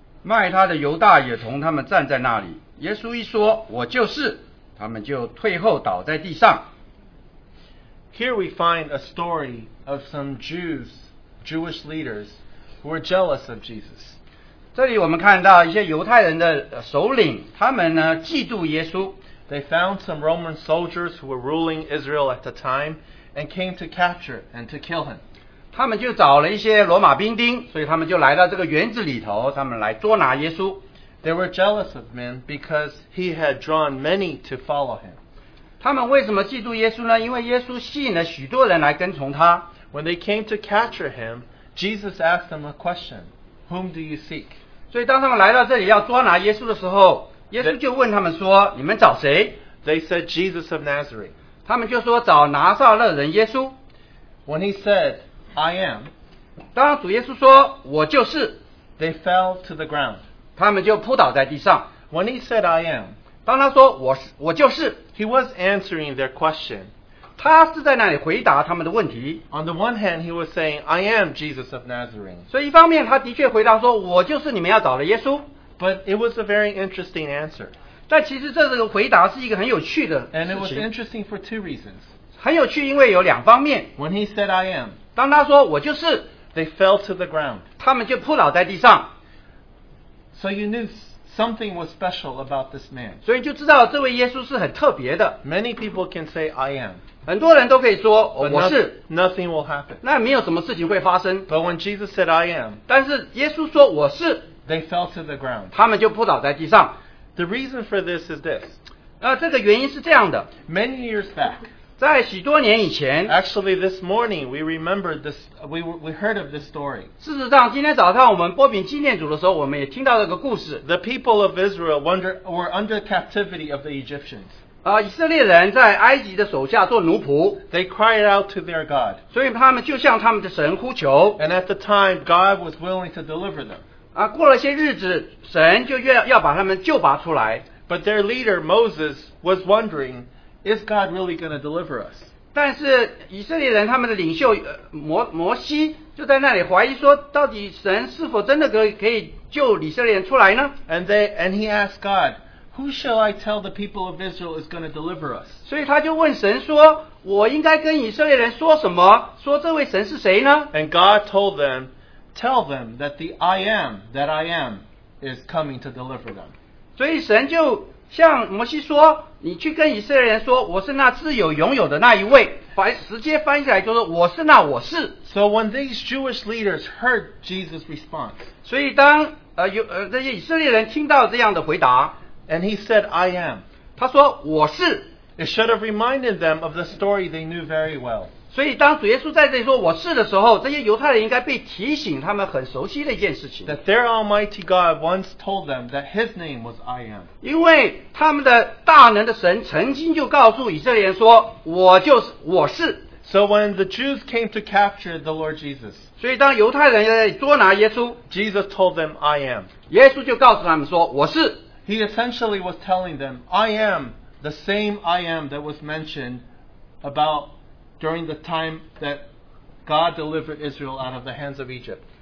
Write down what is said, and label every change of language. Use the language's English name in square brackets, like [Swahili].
[Chinese] 卖他的犹大也同他们站在那里。耶稣一说，我就是，他们就退后倒在地上。 [English] Here we find a story of some Jewish leaders who were jealous of Jesus. [Chinese] 这里我们看到一些犹太人的首领，他们呢嫉妒耶稣。 [English] They found some Roman soldiers who were ruling Israel at the time and came to capture and to kill him. [Chinese] 他们就找了一些罗马兵丁，所以他们就来到这个园子里头，他们来捉拿耶稣。 [English] They were jealous of him because he had drawn many to follow him. [Chinese] 他们为什么嫉妒耶稣呢？因为耶稣吸引了许多人来跟从他。 [English] When they came to capture him, Jesus asked them a question, Whom do you seek? [Chinese] 所以当他们来到这里要捉拿耶稣的时候，耶稣就问他们说，你们找谁？ [English] They said Jesus of Nazareth. [Chinese] 他们就说找拿撒勒人耶稣。 [English] When he said, I am. [Chinese] 当主耶稣说，我就是。 [English] They fell to the ground. [Chinese] 他们就扑倒在地上。 [English] When he said, I am. [Chinese] 当他说我就是。 [English] He was answering their question. [Chinese] 他是在那里回答他们的问题。 [English] On the one hand, he was saying, I am Jesus of Nazareth. [Chinese] 所以一方面他的确回答说，我就是你们要找的耶稣。 [English] But it was a very interesting answer. [Chinese] 但其实这个回答是一个很有趣的事情。 [English] And it was interesting for two reasons. [Chinese] 很有趣，因为有两方面。 [English] When he said I am, [Chinese] 当他说我就是， [English] they fell to the ground. [Chinese] 他们就扑倒在地上。 [English] So you knew something was special about this man. [Chinese] 所以就知道这位耶稣是很特别的。 [English] Many people can say I am. [Chinese] 很多人都可以说我是。 [English] Nothing will happen. [Chinese] 那没有什么事情会发生。 [English] But when Jesus said I am, [Chinese] 但是耶稣说我是。 [English] They fell to the ground. [Chinese] 他们就扑倒在地上。 [English] The reason for this is this. [Chinese] 这个原因是这样的。 [English] Many years back. [Chinese] 在许多年以前。 [English] Actually, this morning, we remembered this, we heard of this story. [Chinese] 事实上，今天早上我们擘饼纪念主的时候，我们也听到这个故事。 [English] The people of Israel were under captivity of the Egyptians. [Chinese] 以色列人在埃及的手下做奴仆。 [English] They cried out to their God. [Chinese] 所以他们就向他们的神呼求。 [English] And at the time, God was willing to deliver them. [Chinese] 过了些日子，神就要把他们救拔出来。 [English] But their leader Moses was wondering, is God really going to deliver us? [Chinese] 但是以色列人他们的领袖摩西就在那里怀疑说，到底神是否真的可以救以色列人出来呢？ [English] And he asked God, who shall I tell the people of Israel is going to deliver us? [Chinese] 所以他就问神说，我应该跟以色列人说什么？说这位神是谁呢？ [English] And God told them,Tell them that the I am that I am is coming to deliver them. [Chinese] 所以神就向摩西说，你去跟以色列人说，我是那自有永有的那一位。直接翻译来就是我是那我是。 [English] So when these Jewish leaders heard Jesus' response, [Chinese] 所以当这些以色列人听到这样的回答， [English] and he said I am, [Chinese] 他说我是。 [English] It should have reminded them of the story they knew very well. [Chinese] 所以当主耶稣在这里说我是的时候，这些犹太人应该被提醒他们很熟悉的一件事情。 [English] That their Almighty God once told them that His name was I Am. [Chinese] 因为他们的大能的神曾经就告诉以色列人说，我就是我是。 [English] So when the Jews came to capture the Lord Jesus, [Chinese] 所以当犹太人捉拿耶稣, [English] Jesus told them, I am. [Chinese] 耶稣就告诉他们说,我是。 [English] He essentially was telling them, I am the same I am that was mentioned about during the time that God delivered Israel out of the hands of Egypt.